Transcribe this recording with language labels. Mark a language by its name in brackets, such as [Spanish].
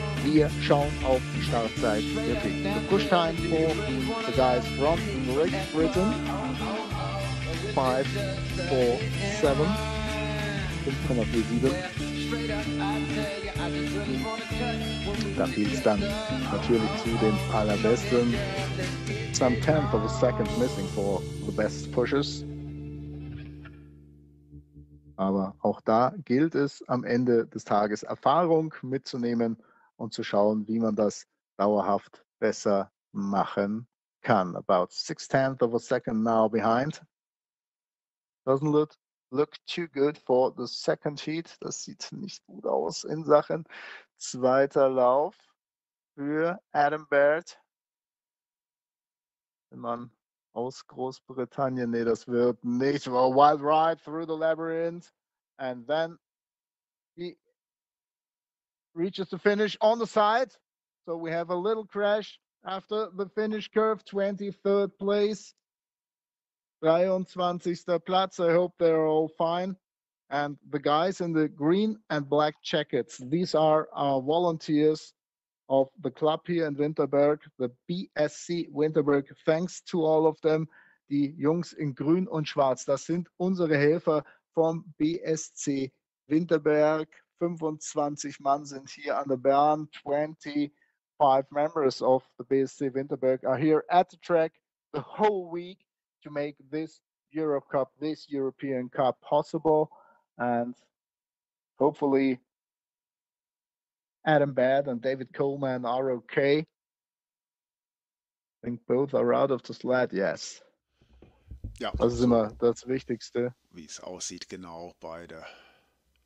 [German] Wir schauen auf die Startzeit der Big Kuschtein vor. [English] The guys from Great Britain. 5, 4, 7. 5,47. [German] Da fiel es dann natürlich zu den allerbesten. [English] Some tenth of a second missing for the best pushes. [German] Aber auch da gilt es am Ende des Tages Erfahrung mitzunehmen und zu schauen, wie man das dauerhaft besser machen kann. [English] About 0.6 seconds now behind. Doesn't look too good for the second heat. [German] Das sieht nicht gut aus in Sachen. Zweiter Lauf für Adam Baird. Wenn man aus Großbritannien, nee, das wird nicht. [English] Well, wild ride through the labyrinth. And then he reaches the finish on the side. So we have a little crash after the finish curve. 23rd place. [German] 23. Platz. [English] I hope they're all fine. And the guys in the green and black jackets. These are our volunteers of the club here in Winterberg. The BSC Winterberg. Thanks to all of them. [German] Die Jungs in grün und schwarz. Das sind unsere Helfer. Vom BSC Winterberg, 25 Mann sind hier an der Bahn. [English] 25 members of the BSC Winterberg are here at the track the whole week to make this Euro Cup, this European Cup possible. And hopefully Adam Baird and David Coleman are okay. I think both are out of the sled, yes. [German] Ja, das ist immer das Wichtigste. Wie es aussieht, genau, beide aus dem Schlitten